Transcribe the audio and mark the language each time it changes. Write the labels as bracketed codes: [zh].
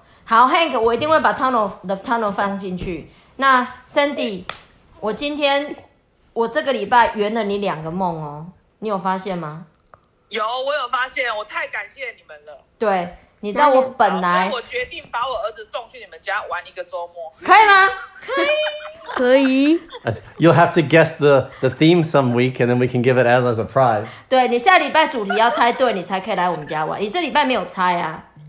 [zh] 好 ，Hank， 我一定会把 tunnel 放进去。那 Sandy， 我今天我这个礼拜圆了你两个梦哦，你有发现吗？有，我有发现，我太感谢你们了。对，你知道我本来，我决定把我儿子送去你们家玩一个周末，可以吗？可以，可以。 [en] You'll have to guess the theme some week, and then we can give it as a surprise. [zh] 对你下礼拜主题要猜对，你才可以来我们家玩。你这礼拜没有猜啊？